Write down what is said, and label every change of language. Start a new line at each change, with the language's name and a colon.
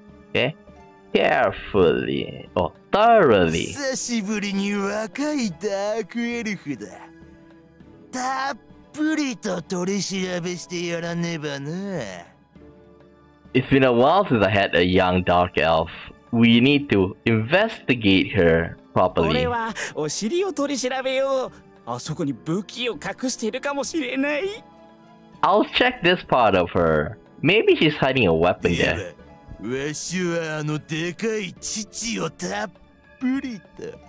English: Okay? Carefully. Oh, thoroughly.
Japanese: 久しぶりに若いダークエルフだ。たっぷりと取り調べしてやらねばな。
English: It's been a while since I had a young dark elf. We need to investigate her properly.
Japanese: 俺はお尻を取り調べよう。あそこに武器を隠しているかもしれない。
English: I'll check this part of her. Maybe she's hiding a weapon there.
Japanese: わしはあのでかい乳をたっぷりと。